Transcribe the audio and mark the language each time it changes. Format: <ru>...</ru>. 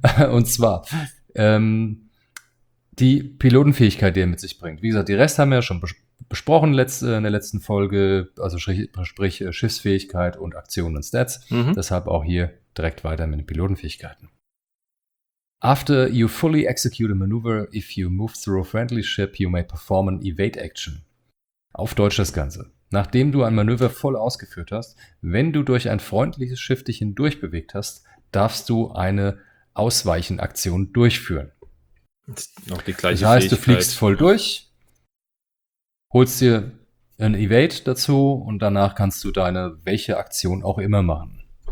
<de>Und zwar die Pilotenfähigkeit, die er mit sich bringt. Wie gesagt, die Rest haben wir ja schon besprochen in der letzten Folge. Also sprich Schiffsfähigkeit und Aktionen und Stats. Deshalb auch hier direkt weiter mit den Pilotenfähigkeiten.</de> <en>After you fully execute a maneuver, if you move through a friendly ship, you may perform an evade action.</en> <de>Auf Deutsch das Ganze. Nachdem du ein Manöver voll ausgeführt hast, wenn du durch ein freundliches Schiff dich hindurch bewegt hast, darfst du eine Ausweichenaktion durchführen. Noch die gleiche Fähigkeit. Das heißt, du fliegst voll durch, holst dir ein Evade dazu und danach kannst du deine welche Aktion auch immer machen.</de>